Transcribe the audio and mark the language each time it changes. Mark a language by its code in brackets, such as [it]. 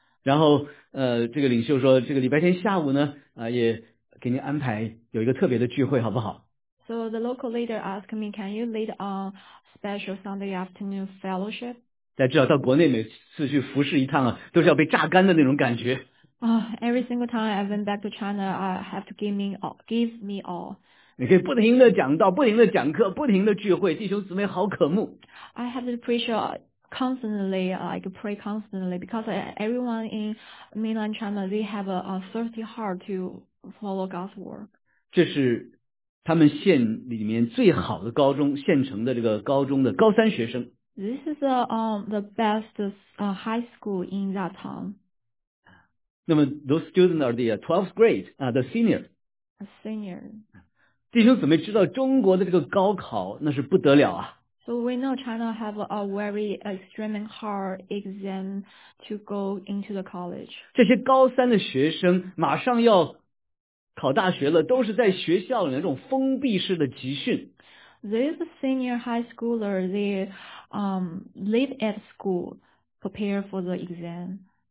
[zh] 然后这个领袖说，这个礼拜天下午呢也给您安排有一个特别的聚会，好不好？ [en] So the local leader asked me, can you lead a special Sunday afternoon fellowship? [zh] 在至少到国内每次去服侍一趟啊，都是要被榨干的那种感觉。 [en] Every single time I went back to China, I have to give me all. [zh] 你可以不停的讲道，不停的讲课，不停的聚会，弟兄姊妹好渴慕。 [en] I have to pray constantly, because everyone in mainland China, they have a thirsty heart to follow God's work. [zh] 这是他们县里面最好的高中，县城的这个高中的高三学生。 [en] This is the best high school in that town. 那么 those students are the 12th grade, the senior. A senior. [zh] 弟兄姊妹知道中国的这个高考那是不得了啊。 [en] So we know China have a very extreme hard exam to go into the college. [zh] 这些高三的学生马上要考大学了，都是在学校里那种封闭式的集训。 [en] These senior high schoolers, they live at school, prepare for the exam.